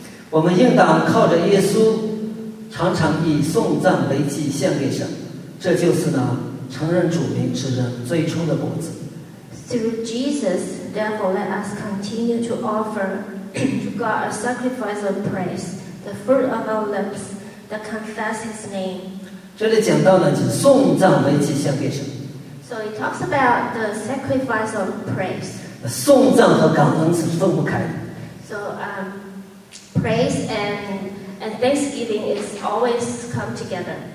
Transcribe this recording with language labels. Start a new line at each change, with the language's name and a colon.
Chinese: 我们应当靠着耶稣，常常以颂赞为祭献给神，这就是呢。承认主名之人最初的果子。
English: Through Jesus, therefore, let us continue to offer to God a sacrifice of praise, the fruit of our lips that confess His name.
Chinese: 这里讲到呢，就颂赞为祭献给神。
English: So it talks about the sacrifice of praise.
Chinese: 颂赞和感恩是分不开的。
English: So, praise and thanksgiving is always come together.